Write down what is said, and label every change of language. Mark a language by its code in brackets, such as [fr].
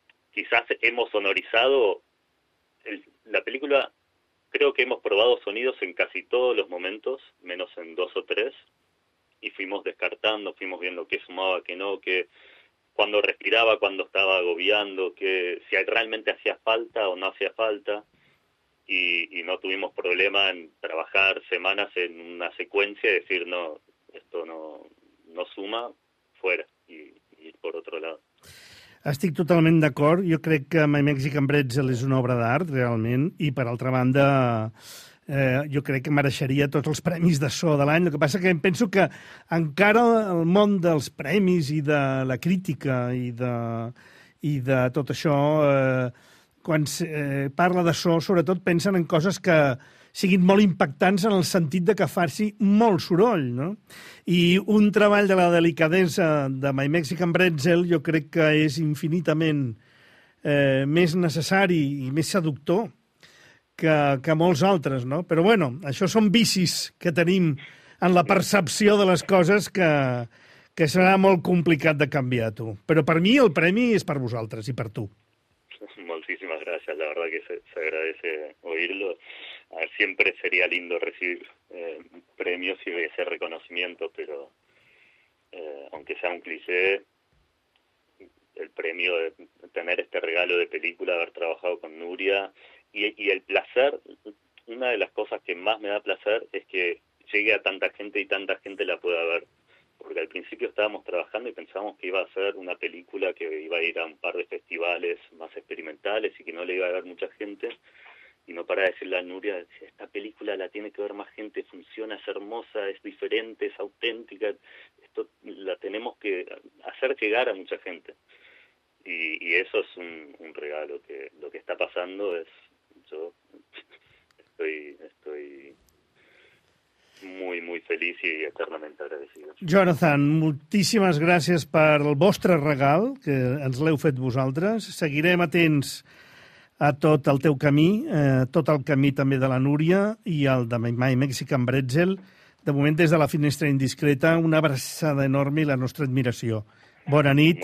[es] Quizás hemos sonorizado la película, creo que hemos probado sonidos en casi todos los momentos, menos en dos o tres, y fuimos descartando, fuimos viendo qué sumaba, qué no, qué, cuando respiraba, cuando estaba agobiando, qué, si realmente hacía falta o no hacía falta, y no tuvimos problema en trabajar semanas en una secuencia y decir, no, esto no suma, fuera, y ir por otro lado. [ca] Estic totalment d'acord. Jo crec que My Mexican Pretzel és una obra d'art, realment, i, per altra banda, jo crec que mereixeria tots els premis de so de l'any. El que passa que penso que encara el món dels premis i de la crítica i de tot això, quan parla de so, sobretot pensen en coses que siguin molt impactants en el sentit de que faci molt soroll, no? I un treball de la delicadesa de My Mexican Pretzel jo crec que és infinitament més necessari i més seductor que molts altres, no? Però, bueno, això són vicis que tenim en la percepció de les coses que serà molt complicat de canviar, tu. Però per mi el premi és per vosaltres i per tu. Moltíssim. [es] muchísimas gracias. La verdad que se agradece oírlo. Siempre sería lindo recibir premios y ese reconocimiento, pero aunque sea un cliché, el premio de tener este regalo de película, haber trabajado con Nuria, y el placer, una de las cosas que más me da placer es que llegue a tanta gente y tanta gente la pueda ver. Porque al principio estábamos trabajando y pensábamos que iba a ser una película que iba a ir a un par de festivales más experimentales y que no le iba a ver mucha gente. Y no para decirle a Nuria, esta película la tiene que ver más gente, funciona, es hermosa, es diferente, es auténtica. Esto la tenemos que hacer llegar a mucha gente. Y eso es un regalo. Que lo que está pasando es... Yo estoy muy, muy [ca] feliç i eternament [es] agradecido. [ca] Jonathan, moltíssimes gràcies pel vostre regal que ens l'heu fet vosaltres. Seguirem atents a tot el teu camí, tot el camí també de la Núria i el de My Mexican Bretzel. De moment, des de la finestra indiscreta, una abraçada enorme i la nostra admiració. Bona nit.